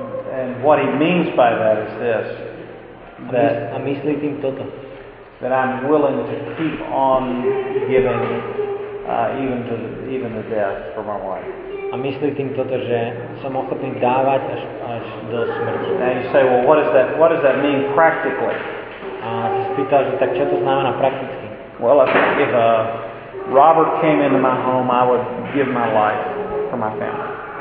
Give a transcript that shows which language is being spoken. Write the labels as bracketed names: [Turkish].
[English] And what he means by that is this. [Slovak] That a myslí tým toto. [English] That I'm willing to keep on giving even to death for my wife. [Slovak] a myslí tým toto, že som ochotný dávať až do smrti. [English] And you say, well, what does that mean practically? [Slovak] A si spýta, že tak čo to znamená prakticky? [English] Well, if a robber came into my home, I would give my life for my family.